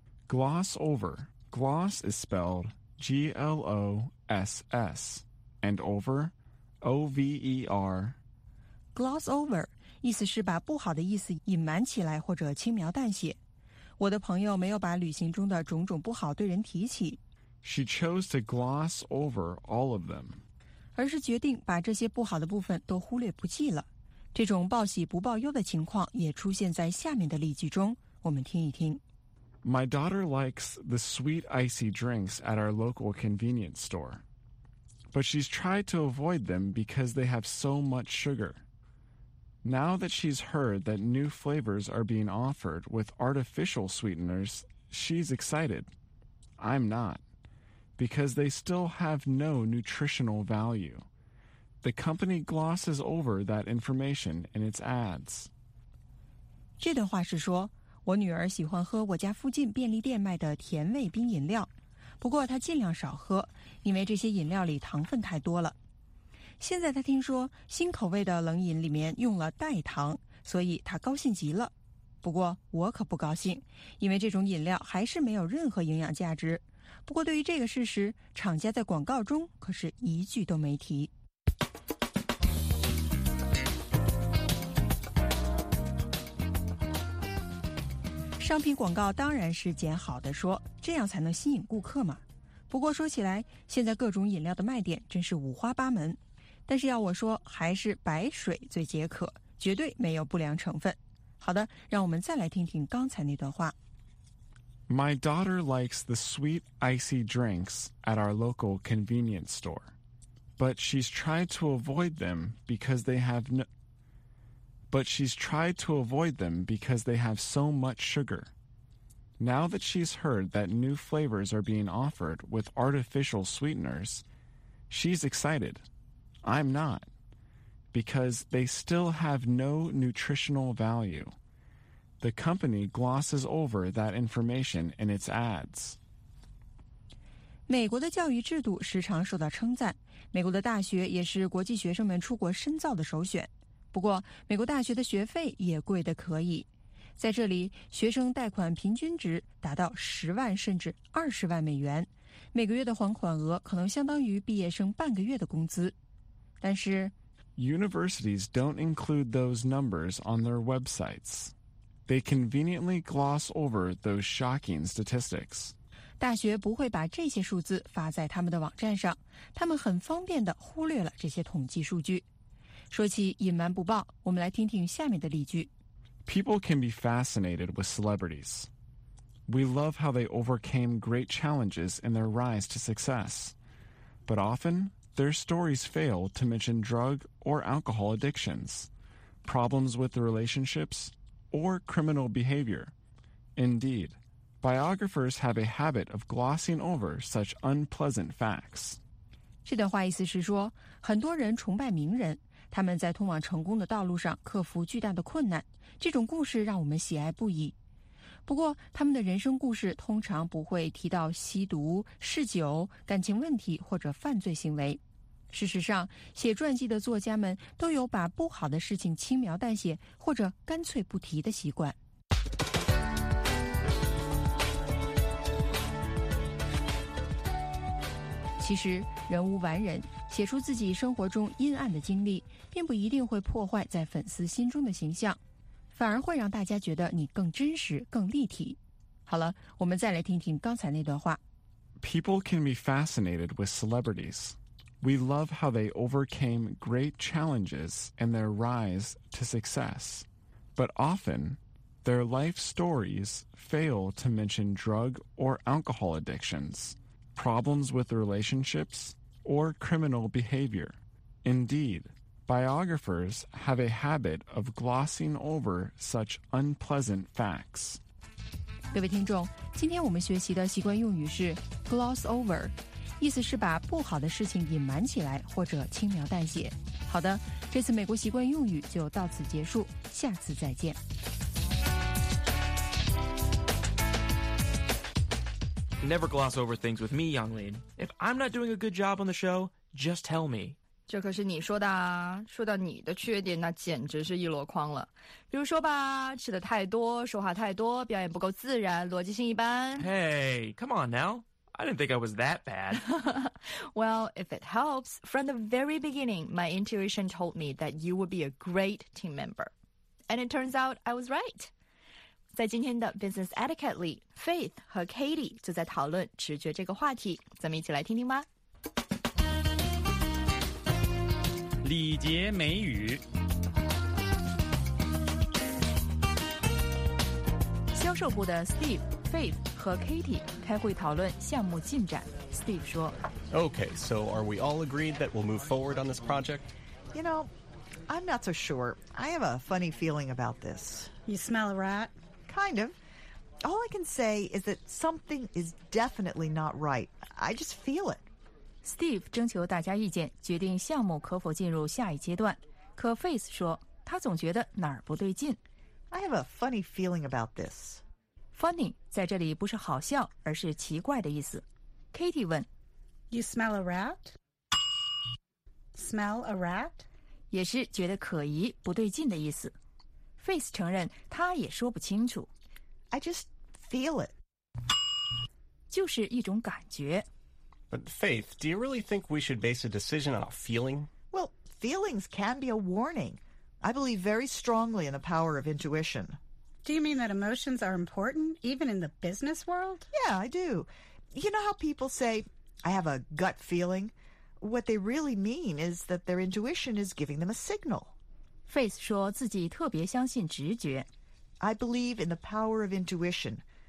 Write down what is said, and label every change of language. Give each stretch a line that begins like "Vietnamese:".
English: Gloss over. Gloss is spelled G-L-O-S-S. And over, O-V-E-R.
Chinese: Gloss over, 意思是把不好的意思隐瞒起来或者轻描淡写。我的朋友没有把旅行中的种种不好对人提起。
English: She chose to gloss over all of them.
Chinese: 而是决定把这些不好的部分都忽略不计了。这种报喜不报忧的情况也出现在下面的例句中，我们听一听。
English: My daughter likes the sweet icy drinks at our local convenience store, but she's tried to avoid them because they have so much sugar. Now that she's heard that new flavors are being offered with artificial sweeteners, she's excited. I'm not. Because they still have no nutritional value. The company glosses over that information in its ads.
Chinese: 这段话是说，我女儿喜欢喝我家附近便利店卖的甜味冰饮料，不过她尽量少喝，因为这些饮料里糖分太多了。现在她听说新口味的冷饮里面用了代糖，所以她高兴极了。不过我可不高兴，因为这种饮料还是没有任何营养价值。不过对于这个事实，厂家在广告中可是一句都没提。商品广告当然是捡好的说，这样才能吸引顾客嘛。不过说起来，现在各种饮料的卖点真是五花八门，但是要我说还是白水最解渴，绝对没有不良成分。好的，让我们再来听听刚才那段话。
English: My daughter likes the sweet icy drinks at our local convenience store, but she's tried to avoid them because they have no. But she's tried to avoid them because they have so much sugar. Now that she's heard that new flavors are being offered with artificial sweeteners, she's excited. I'm not, because they still have no nutritional value. The company glosses over that information in its ads.
Chinese: 美国的教育制度时常受到称赞，美国的大学也是国际学生们出国深造的首选。不过，美国大学的学费也贵得可以。在这里，学生贷款平均值达到10万甚至20万美元，每个月的还款额可能相当于毕业生半个月的工资。但是
English: ，Universities don't include those numbers on their websites. They conveniently gloss over those shocking statistics.
Chinese: 大学不会把这些数字发在他们的网站上，他们很方便地忽略了这些统计数据。说起隐瞒不报，我们来听听下面的例句。
English: People can be fascinated with celebrities. We love how they overcame great challenges in their rise to success. But often, their stories fail to mention drug or alcohol addictions, problems with relationships,or criminal behavior. Indeed, biographers have a habit of glossing over such unpleasant facts.
Chinese: 这段话意思是说，很多人崇拜名人，他们在通往成功的道路上克服巨大的困难，这种故事让我们喜爱不已。不过，他们的人生故事通常不会提到吸毒、嗜酒、感情问题或者犯罪行为。事实上，写传记的作家们都有把不好的事情轻描淡写或者干脆不提的习惯。其实，人无完人，写出自己生活中阴暗的经历，并不一定会破坏在粉丝心中的形象，反而会让大家觉得你更真实、更立体。好了，我们再来听听刚才那段话。
English: People can be fascinated with celebrities. We love how they overcame great challenges and their rise to success. But often, their life stories fail to mention drug or alcohol addictions. Problems with relationships, or criminal behavior. Indeed, biographers have a habit of glossing over such unpleasant facts.
Chinese: 各位听众，今天我们学习的习惯用语是 gloss over, 意思是把不好的事情隐瞒起来或者轻描淡写。好的，这次美国习惯用语就到此结束，下次再见。
English: Never gloss over things with me, Yonglin. If I'm not doing a good job on the show, just tell me.
Chinese: 这可是你说的啊，说到你的缺点，那简直是一箩筐了。比如说吧，吃的太多，说话太多，表演不够自然，逻辑性一般。
English: Hey, come on now. I didn't think I was that bad. Well, if it helps, from the very beginning, my intuition told me that you would be a great team member. And it turns out I was right.
Chinese: 在今天的 Business Etiquette 里 ,Faith 和 Katie 就在讨论直觉这个话题。咱们一起来听听吧。礼节美语。销售部的 Steve, Faith 和 Katie 开会讨论项目进展。 Steve 说
English: Okay, so are we all agreed that we'll move forward on this project? You know, I'm not so sure. I have a funny feeling about this. You smell a rat? Kind of. All I can say is that something is definitely not right. I just feel it.
Chinese: Steve 征求大家意见，决定项目可否进入下一阶段。可 Faith 说，他总觉得哪儿不对劲。
English: I have a funny feeling about this.
Chinese: Funny 在这里不是好笑，而是奇怪的意思。 Katie 问
English: ，You smell a rat? Smell a rat?
Chinese: 也是觉得可疑、不对劲的意思。Faith 承认他也说不清楚。
English: I just feel it.
Chinese: 就是一种感觉。
English: But Faith, do you really think we should base a decision on a feeling? Well, feelings can be a warning. I believe very strongly in the power of intuition. Do you mean that emotions are important, even in the business world? Yeah, I do. You know how people say, I have a gut feeling? What they really mean is that their intuition is giving them a signal.
Chinese: Faith 说自己特别相信直觉。
English: I believe in the power of intuition.